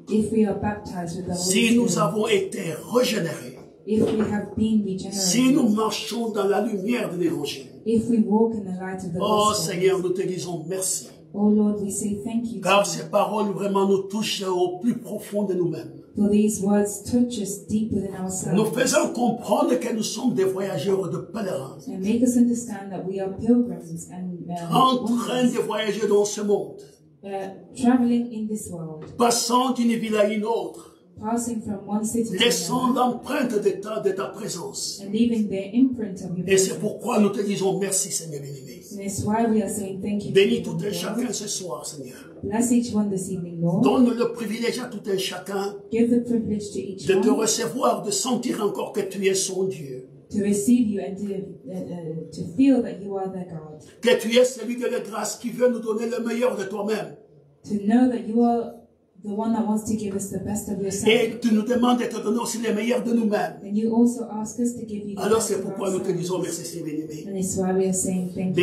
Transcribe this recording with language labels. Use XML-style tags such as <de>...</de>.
<en>If we are baptized with the Holy</en> <fr>si</fr> <en>Spirit.</en> <fr>Si nous avons été régénérés.</fr> <en>If we have been regenerated.</en> <fr>Si nous marchons dans la lumière de l'Évangile.</fr> <en>If we walk in the light of the gospel.</en> <fr>Oh Seigneur, nous te disons merci.</fr> <en>Oh Lord, we say thank you.</en> <fr>Car ces paroles vraiment nous touchent au plus profond de nous-mêmes.</fr> <en>For these words touch us deep within ourselves.</en> <fr>Nous faisons comprendre que nous sommes des voyageurs de pèlerins.</fr> <en>And make us understand that we are pilgrims and</en> <fr>en train de voyager dans ce monde.</fr> <en>Traveling in this world.</en> <fr>Passant d'une ville à une autre.</fr> <en>Passing from one city to</en> <fr>another. Laissant l'empreinte de ta présence.</fr> <en>And leaving the imprint of your presence.</en> <fr>Et c'est pourquoi nous te disons merci, Seigneur bien-aimé.</fr> <en>That's why we are saying thank you.</en> <fr>Bénis tout un chacun ce soir, Seigneur.</fr> <en>Bless each one this evening, Lord.</en> <fr>Donne le privilège à tout un chacun.</fr> <en>Give the privilege to each</en> <fr>de</fr> <en>one.</en> <fr>De te recevoir, de sentir encore que tu es son Dieu.</fr> <en>To receive you and to feel that you are their God.</en> <fr>Que tu es celui de la grâce qui veut nous donner le meilleur de toi-même.</fr> <en>To know that you are the one that wants to give us the best of yourself.</en> <fr>Et tu nous demandes de te donner aussi les meilleurs de nous-mêmes.</fr> <en>And you also ask us to give you the</en> <fr>alors</fr> <en>best</en> <fr>c'est pourquoi</fr> <en>of</en> <fr>nous te disons merci, Seigneur bien-aimé.</fr> <en>And it's why we are saying thank you.</en>